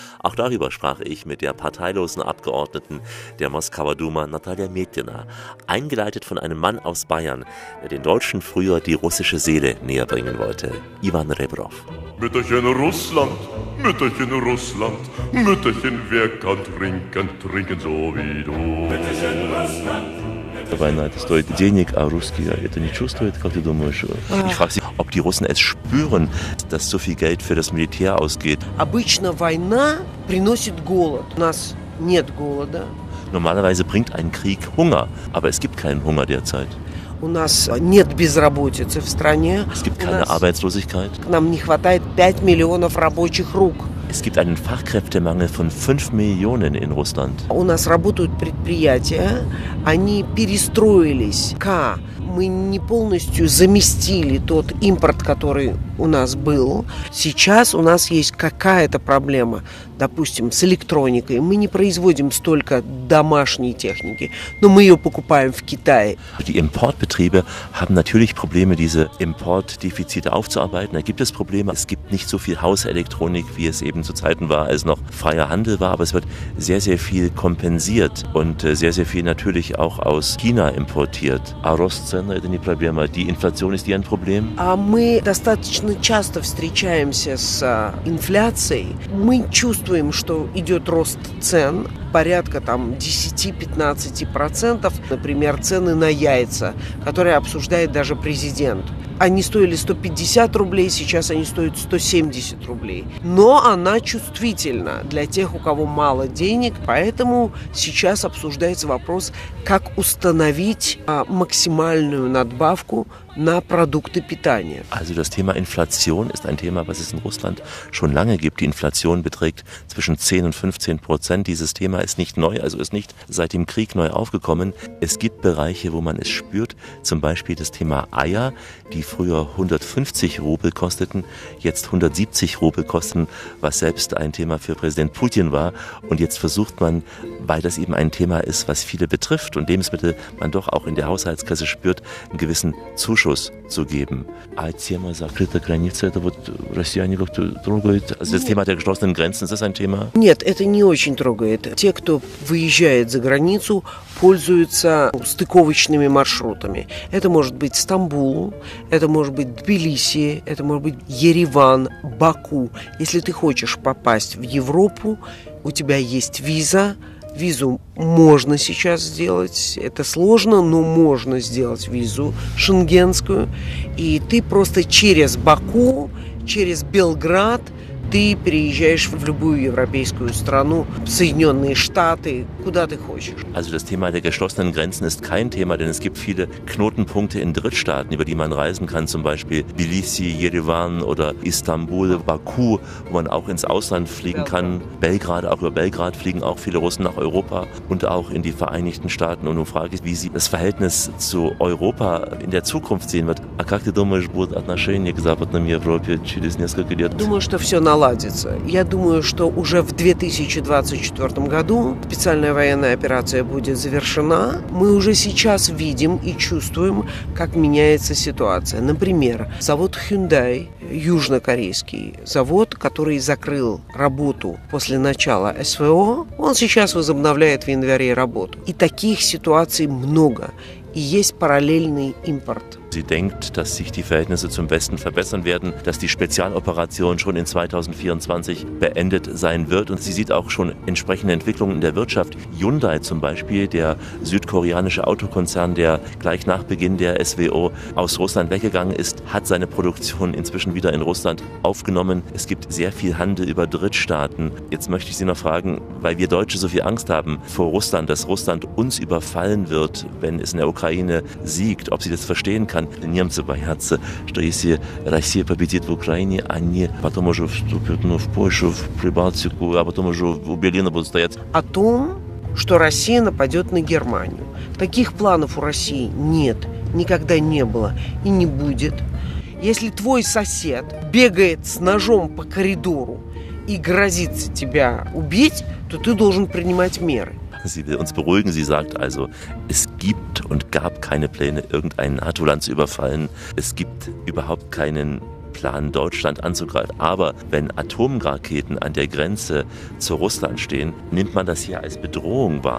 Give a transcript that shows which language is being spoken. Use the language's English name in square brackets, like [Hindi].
[German] Auch darüber sprach ich mit der parteilosen Abgeordneten der Moskauer Duma, Natalia Metlina, eingeleitet von einem Mann aus Bayern, der den Deutschen früher die russische Seele näher bringen wollte, Ivan Rebrov. Mütterchen Russland, Mütterchen Russland, Mütterchen, wer kann trinken, trinken so wie du. Mütterchen Russland. [Russian] Война это стоит денег, а русские это не чувствуют, как ты думаешь? [German] Ich frage sie, ob die Russen es spüren, dass so viel Geld für das Militär ausgeht. [Russian] Обычно война приносит голод. У нас нет голода. [German] Normalerweise bringt ein Krieg Hunger, aber es gibt keinen Hunger derzeit. [Russian] У нас нет безработицы в стране. [German] Es gibt keine Arbeitslosigkeit. [Russian] Нам не хватает 5 миллионов рабочих рук. [German] Es gibt einen Fachkräftemangel von 5 Millionen in Russland. [Russian] У нас работают предприятия, они перестроились. Мы не полностью заместили тот импорт, который у нас был. Сейчас у нас есть какая-то проблема, допустим, с электроникой. Мы не производим столько домашней техники, но мы ее покупаем в Китае. [German] Die Importbetriebe haben natürlich Probleme, diese Importdefizite aufzuarbeiten. Da gibt es Probleme. Es gibt nicht so viel Hauselektronik, wie es eben zu Zeiten war, als noch freier Handel war. Aber es wird sehr, sehr viel kompensiert und sehr, sehr viel natürlich auch aus China importiert. [Russian] А рост цен – это не проблема. [German] Die Inflation ist ja ein Problem. [Russian] А мы достаточно достаточно часто встречаемся с инфляцией, мы чувствуем, что идет рост цен порядка там 10-15%, например, цены на яйца, которые обсуждает даже президент. Они стоили 150 рублей, сейчас они стоят 170 рублей. Но она чувствительна для тех, у кого мало денег, поэтому сейчас обсуждается вопрос, как установить максимальную надбавку на продукты питания. [German] Also das Thema Inflation ist ein Thema, was es in Russland schon lange gibt. Die Inflation beträgt zwischen 10-15%. Dieses Thema ist nicht neu, also ist nicht seit dem Krieg neu aufgekommen. Es gibt Bereiche, wo man es spürt, zum Beispiel das Thema Eier, die früher 150 Rubel kosteten, jetzt 170 Rubel kosten, was selbst ein Thema für Präsident Putin war. Und jetzt versucht man, weil das eben ein Thema ist, was viele betrifft und Lebensmittel man doch auch in der Haushaltskasse spürt, einen gewissen Zuschuss zu geben. Als jemand sagt, dritte Grenze, da wird [Russian] россияне как-то трогают. [German] Also das Thema der geschlossenen Grenzen, ist das ein Thema? [Russian] Нет, это не очень трогает. Те, кто выезжает за границу, пользуются стыковочными маршрутами. Это может быть Стамбул, это может быть Тбилиси, это может быть Ереван, Баку. Если ты хочешь попасть в Европу, у тебя есть виза. Визу можно сейчас сделать, это сложно, но можно сделать визу шенгенскую. И ты просто через Баку, через Белград, ты переезжаешь в любую европейскую страну, в Соединенные Штаты, куда ты хочешь. [German] Also das Thema der geschlossenen Grenzen ist kein Thema, denn es gibt viele Knotenpunkte in Drittstaaten, über die man reisen kann, zum Beispiel Tbilisi, Jerewan oder Istanbul, Baku, wo man auch ins Ausland fliegen kann. Belgrad, auch über Belgrad fliegen auch viele Russen nach Europa und auch in die Vereinigten Staaten. Und nun frage ich, wie Sie das Verhältnis zu Europa in der Zukunft sehen wird. [Russian] А как ты думаешь, будут отношения к Западной Европе через несколько лет? Думаю, что все наладится. Я думаю, что уже в 2024 году специальная военная операция будет завершена. Мы уже сейчас видим и чувствуем, как меняется ситуация. Например, завод Hyundai, южнокорейский завод, который закрыл работу после начала СВО, он сейчас возобновляет в январе работу. И таких ситуаций много. И есть параллельный импорт. [German] Sie denkt, dass sich die Verhältnisse zum Westen verbessern werden, dass die Spezialoperation schon in 2024 beendet sein wird. Und sie sieht auch schon entsprechende Entwicklungen in der Wirtschaft. Hyundai zum Beispiel, der südkoreanische Autokonzern, der gleich nach Beginn der SWO aus Russland weggegangen ist, hat seine Produktion inzwischen wieder in Russland aufgenommen. Es gibt sehr viel Handel über Drittstaaten. Jetzt möchte ich Sie noch fragen, weil wir Deutsche so viel Angst haben vor Russland, dass Russland uns überfallen wird, wenn es in der Ukraine siegt, ob Sie das verstehen kann. [Russian] Немцы боятся, что если Россия победит в Украине, они потом уже вступят, ну, в Польшу, в Прибалтику, а потом уже у Берлина будут стоять. О том, что Россия нападет на Германию. Таких планов у России нет, никогда не было и не будет. Если твой сосед бегает с ножом по коридору и грозится тебя убить, то ты должен принимать меры. [German] Sie will uns beruhigen, sie sagt also, es gibt und gab keine Pläne, irgendein NATO-Land zu überfallen. Es gibt überhaupt keinen Plan, Deutschland anzugreifen. Aber wenn Atomraketen an der Grenze zu Russland stehen, nimmt man das hier als Bedrohung wahr.